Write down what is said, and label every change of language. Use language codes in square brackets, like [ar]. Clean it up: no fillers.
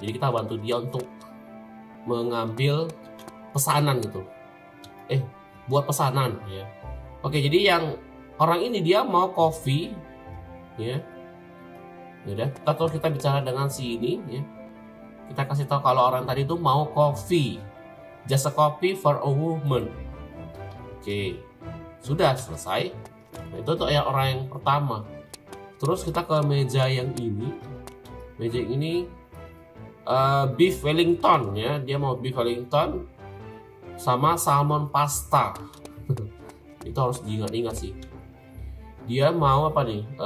[id] Jadi kita bantu dia untuk mengambil pesanan gitu. Buat pesanan ya. Oke, jadi yang orang ini dia mau kopi ya. Yaudah, kita bicara dengan si ini ya. Kita kasih tahu kalau orang tadi itu mau kopi. [en] Just a coffee for a woman. [id] Oke. Sudah selesai. Nah, itu untuk yang orang yang pertama. Terus kita ke meja yang ini. Meja yang ini beef Wellington ya. Dia mau beef Wellington sama salmon pasta. Itu harus diingat-ingat sih. Dia mau apa nih?